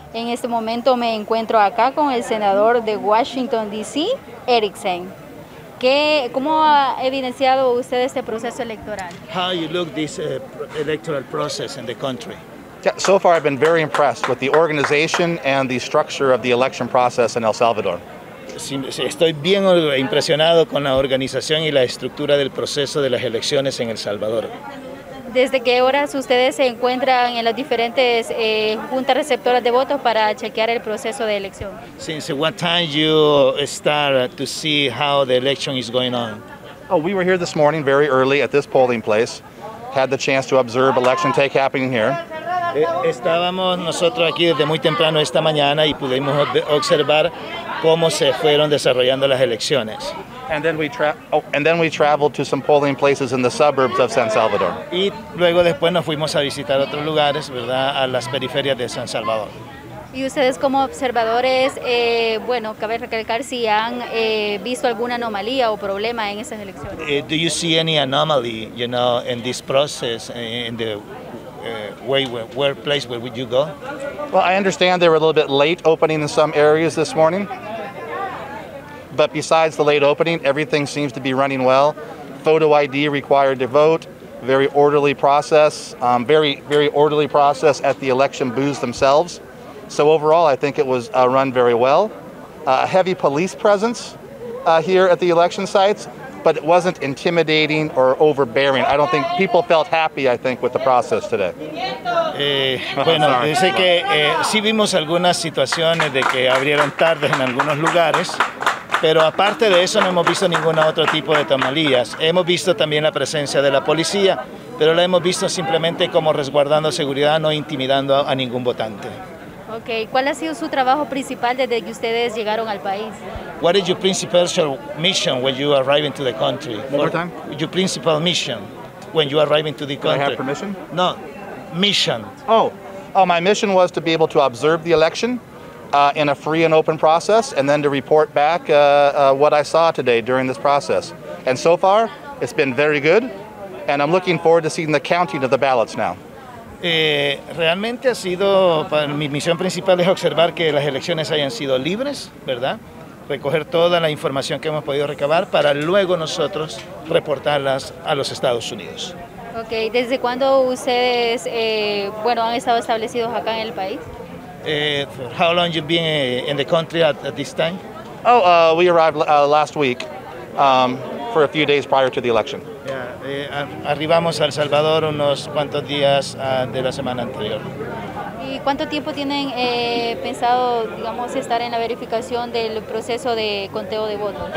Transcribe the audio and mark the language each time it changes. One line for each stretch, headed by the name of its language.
Spanish: este momento me encuentro acá con el senador de Washington DC, Ericksen. ¿Cómo ha evidenciado usted este proceso electoral?
English: How you look this electoral process in the country? Yeah, so far I've been very impressed with the organization and the structure of the election process in El Salvador.
Spanish: Estoy bien impresionado con la organización y la estructura del proceso de las elecciones en El Salvador. ¿Desde qué horas ustedes se encuentran en las diferentes juntas receptoras de votos para chequear el proceso de elección?
English: Since what time you start to see how the election is going on? Oh, we were here this morning very early at this polling place. Had the chance to observe election take happening here.
Spanish: Estábamos nosotros aquí desde muy temprano esta mañana y pudimos observar cómo se fueron desarrollando las elecciones.
English: And then we traveled to some polling places in the suburbs of San Salvador.
Spanish: Y luego después nos fuimos a visitar otros lugares, ¿verdad?, a las periferias de San Salvador. Y ustedes como observadores, bueno, cabe recalcar si han visto alguna anomalía o problema en esas elecciones.
English: Do you see any anomaly, you know, in this process, in the place where would you go? Well, I understand they were a little bit late opening in some areas this morning. But besides the late opening, everything seems to be running well. Photo ID required to vote. Very orderly process. Very, very orderly process at the election booths themselves. So overall, I think it was run very well. Heavy police presence here at the election sites, but it wasn't intimidating or overbearing. I don't think people felt happy, I think, with the process today.
Spanish: Bueno, dice que sí vimos algunas situaciones de que abrieron tarde en algunos lugares. Pero aparte de eso, no hemos visto ningún otro tipo de anomalías. Hemos visto también la presencia de la policía, pero la hemos visto simplemente como resguardando seguridad, no intimidando a ningún votante. Ok. ¿Cuál ha sido su trabajo principal desde que ustedes llegaron al país?
English: What is your principal mission when you arrive into the country? One more time. Your principal mission when you arrive into the country. Do I have permission? No. Mission. Oh, my mission was to be able to observe the election. In a free and open process, and then to report back what I saw today during this process. And so far, it's been very good, and I'm looking forward to seeing the counting of the ballots now.
Spanish: Realmente ha sido, mi misión principal es observar que las elecciones hayan sido libres, ¿verdad? Recoger toda la información que hemos podido recabar para luego nosotros reportarlas a los Estados Unidos. Okay. ¿Desde cuándo ustedes, han estado establecidos acá en el país?
English: How long you been in the country at this time? Oh, we arrived last week for a few days prior to the election.
Spanish: Yeah, arribamos a El Salvador unos cuantos días de la semana anterior. ¿Y cuánto tiempo tienen pensado, digamos, estar en la verificación del proceso de conteo de votos?